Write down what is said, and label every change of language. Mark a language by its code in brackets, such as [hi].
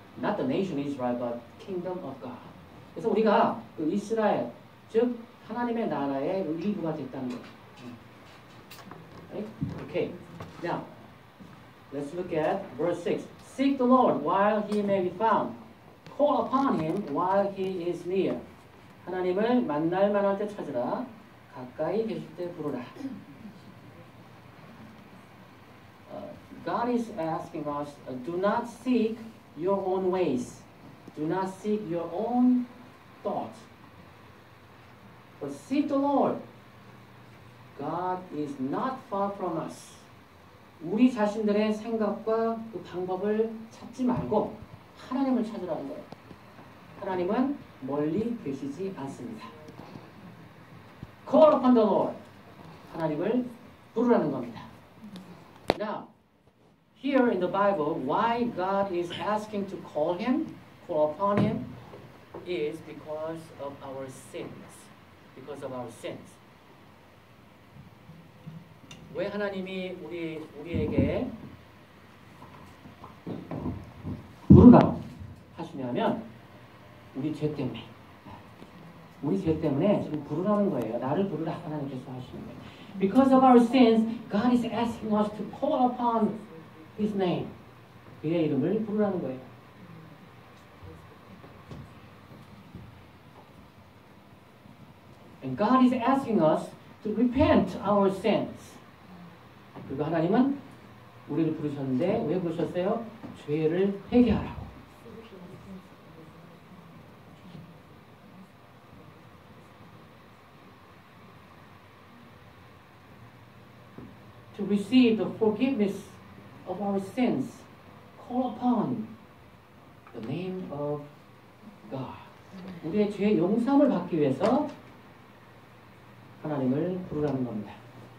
[en] Not the nation Israel, but kingdom of God. [ko] 그래서 우리가 그 이스라엘, 즉 하나님의 나라의 일부가 됐다는 거예요. [en] Right? Okay. Now, let's look at verse 6. Seek the Lord while he may be found. Call upon him while he is near. [ko] 하나님을 만날 만할 때 찾으라. 가까이 계실 때 부르라. [en] God is asking us, do not seek your own ways. Do not seek your own thoughts. But seek the Lord. God is not far from us. [ko] 우리 자신들의 생각과 그 방법을 찾지 말고 하나님을 찾으라는 거예요. 하나님은 멀리 계시지 않습니다. [en] Call upon the Lord. [ko] 하나님을 부르라는 겁니다. [en] Now, here in the Bible, why God is asking to call him, call upon him, is because of our sins. Because of our sins. [ko] 왜 하나님이 우리에게 부르라 하시냐면 우리 죄 때문에 지금 부르라는 거예요. 나를 부르라 하나님께서 하시는 거예요. [en] Because of our sins, God is asking us to call upon His name. [ko] 그의 이름을 부르라는 거예요. [en] And God is asking us to repent our sins. [ko] 그리고 하나님은 우리를 부르셨는데 왜 부르셨어요? 죄를 회개하라고. [en] To receive the forgiveness of our sins, call upon the name of God. [ko] 우리의 죄 용서함을 받기 위해서 하나님을 부르라는 겁니다.